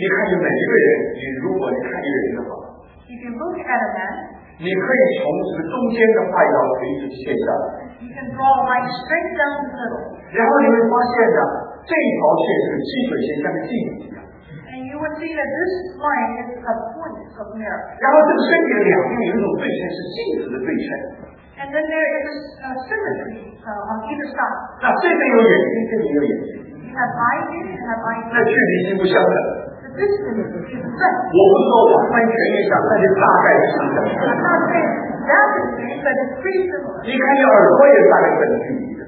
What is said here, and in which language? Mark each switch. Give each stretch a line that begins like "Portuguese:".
Chinese: 你看每一个人，你如果看一个人的话，
English: If you look at a man,
Chinese: 你可以从中间的画一条垂直线上，
English: You can draw a line straight down the middle.
Chinese: 然后你会发现呢，这一条线是基本线上的镜子。
English: And you would see that this line is a point of mirror.
Chinese: 然后这个身体的两边有一种对称，是镜子的对称。
English: And then there is a symmetry on either side.
Chinese: 那这边有眼睛，这边有眼睛。
English: You have eye here, you have eye here.
Chinese: 那距离是不相等的。
English: The distance is the same.
Chinese: 我不说完全一样，但是大概是相等的。
English: I'm not saying that is the same, but it's pretty similar.
Chinese: 你看你耳朵也大概是这个距离的。